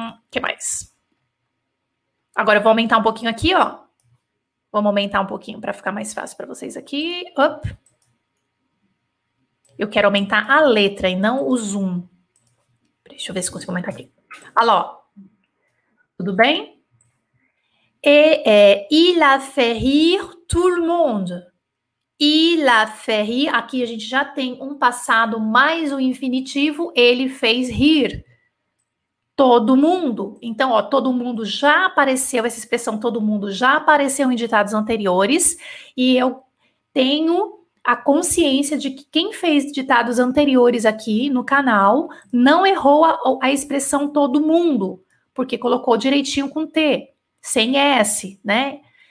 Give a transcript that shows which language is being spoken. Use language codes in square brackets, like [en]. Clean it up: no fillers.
[pt] Que mais? Agora eu vou aumentar um pouquinho aqui, ó. Vamos aumentar um pouquinho para ficar mais fácil para vocês aqui. Up. Eu quero aumentar a letra e não o zoom. Deixa eu ver se consigo aumentar aqui. Alô? Tudo bem? [fr] E il a fait rire tout le monde. Il a fait rire. [pt] Aqui a gente já tem um passado mais o infinitivo. Ele fez rir todo mundo. Então, ó, todo mundo já apareceu. Essa expressão todo mundo já apareceu em ditados anteriores. E eu tenho a consciência de que quem fez ditados anteriores aqui no canal não errou a expressão todo mundo, porque colocou direitinho com T, sem S, né?